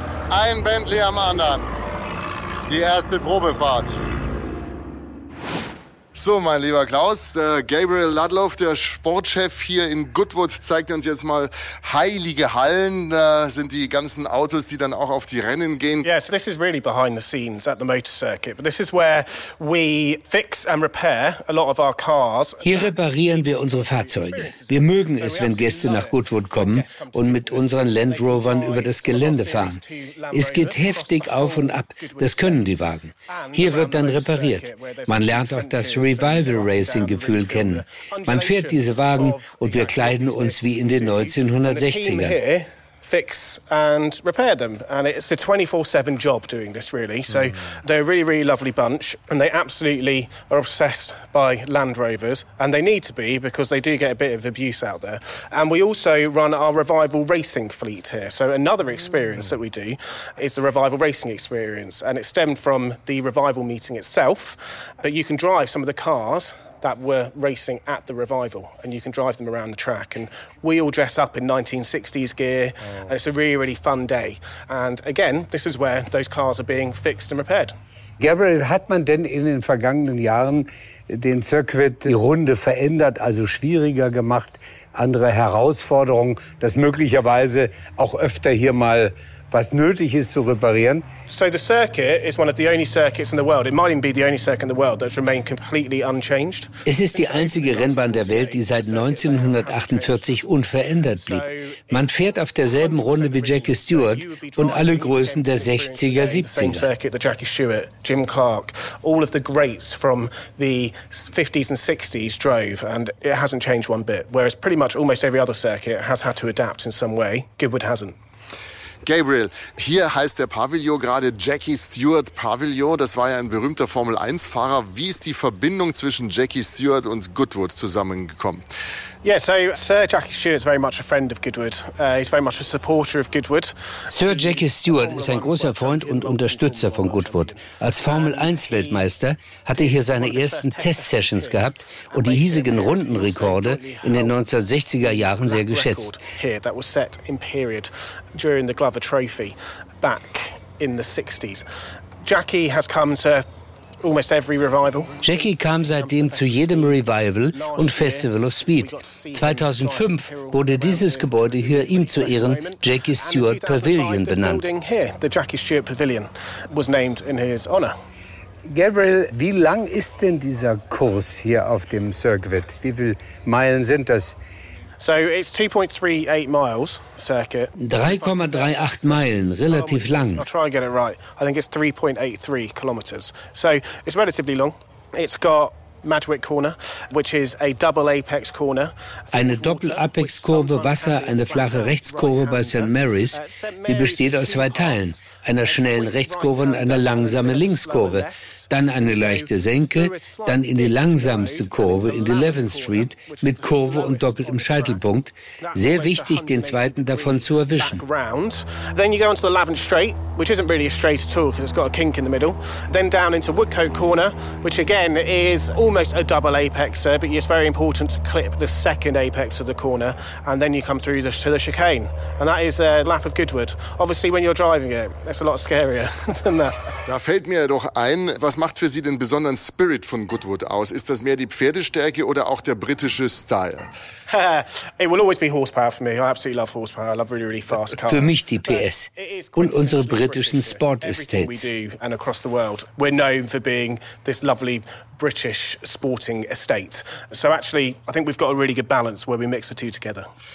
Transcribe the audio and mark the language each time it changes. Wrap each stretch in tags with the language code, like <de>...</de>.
<de>Ein Bentley am anderen. Die erste Probefahrt. So, mein lieber Klaus, der Gabriel Ludloff, der Sportchef hier in Goodwood, zeigt uns jetzt mal heilige Hallen. Da sind die ganzen Autos, die dann auch auf die Rennen gehen.</de> <en>Yes, this is really behind the scenes at the motor circuit. But this is where we fix and repair a lot of our cars.</en> <de>Hier reparieren wir unsere Fahrzeuge. Wir mögen es, wenn Gäste nach Goodwood kommen und mit unseren Land Rovern über das Gelände fahren. Es geht heftig auf und ab. Das können die Wagen. Hier wird dann repariert. Man lernt auch das Revival-Racing-Gefühl kennen. Man fährt diese Wagen und wir kleiden uns wie in den 1960ern.</de> <en>Fix and repair them, and it's a 24/7 job doing this really. So they're a really, really lovely bunch, and they absolutely are obsessed by Land Rovers, and they need to be because they do get a bit of abuse out there. And we also run our Revival Racing fleet here. So another experience that we do is the Revival Racing experience, and it stemmed from the Revival meeting itself. But you can drive some of the cars that were racing at the Revival, and you can drive them around the track. And we all dress up in 1960s gear, and it's a really, really fun day. And again, this is where those cars are being fixed and repaired.</en> <de>Gabriel, hat man denn in den vergangenen Jahren den Circuit, die Runde verändert, also schwieriger gemacht, andere Herausforderungen, dass möglicherweise auch öfter hier mal was nötig ist zu reparieren?</de> <en>So the circuit is one of the only circuits in the world. It might even be the only circuit in the world that's remained completely unchanged.</en> <de>Es ist die einzige Rennbahn der Welt, die seit 1948 unverändert blieb. Man fährt auf derselben Runde wie Jackie Stewart und alle Größen der 60er, 70er.</de> <en>Same circuit, the Jackie Stewart, Jim Clark, all of the greats from the 50s and 60s drove, and it hasn't changed one bit. Whereas pretty much almost every other circuit has had to adapt in some way. Goodwood hasn't.</en> <de>Gabriel, hier heißt der Pavillon gerade Jackie Stewart Pavillon. Das war ja ein berühmter Formel-1-Fahrer. Wie ist die Verbindung zwischen Jackie Stewart und Goodwood zusammengekommen?</de> <en>Yeah, so Sir Jackie Stewart is very much a friend of Goodwood. He's very much a supporter of Goodwood.</en> <de>Sir Jackie Stewart ist ein großer Freund und Unterstützer von Goodwood. Als Formel-1-Weltmeister hatte er hier seine ersten Test-Sessions gehabt und die hiesigen Rundenrekorde in den 1960er Jahren sehr geschätzt.</de> <en>That was set in period during the Glover Trophy back in the 60s. Jackie has come to almost every Revival.</en> <de>Jackie kam seitdem zu jedem Revival und Festival of Speed. 2005 wurde dieses Gebäude hier ihm zu Ehren Jackie Stewart Pavilion benannt.</de> <en>The Jackie Stewart Pavilion was named in his honor.</en> <de>Gabriel, wie lang ist denn dieser Kurs hier auf dem Circuit? Wie viele Meilen sind das?</de> <en>So it's 2.38 miles circuit.</en> <de>3,38 Meilen, relativ lang.</de> <en>I'll try and get it right. I think it's 3.83 kilometers. So it's relatively long. It's got Madwick Corner, which is a double apex corner.</en> <de>Eine Doppelapex-Kurve, Wasser, eine flache Rechtskurve bei St. Mary's. Sie besteht aus zwei Teilen, einer schnellen Rechtskurve und einer langsamen Linkskurve. Dann eine leichte Senke, dann in die langsamste Kurve in die 11th Street mit Kurve und doppeltem Scheitelpunkt. Sehr wichtig, den zweiten davon zu erwischen.</de> <en>Then you go onto the 11th Street, which isn't really a straight at all, because it's got a kink in the middle. Then down into Woodcote Corner, which again is almost a double apexer, but it's very important to clip the second apex of the corner, and then you come through to the chicane, and that is a lap of Goodwood. Obviously, when you're driving it, it's a lot scarier than that.</en> <de>Da fällt mir doch ein, was macht für Sie den besonderen Spirit von Goodwood aus? Ist das mehr die Pferdestärke oder auch der britische Style?</de> <en>It will always be horsepower for me. I absolutely love horsepower. I love really, really fast cars.</en> <de>Für mich die PS und unsere britischen Sport-Estates.</de> <en>Everything we do and across the world, we're known for being this lovely British sporting estate. So actually, I think we've got a really good balance where we mix the two together.</en>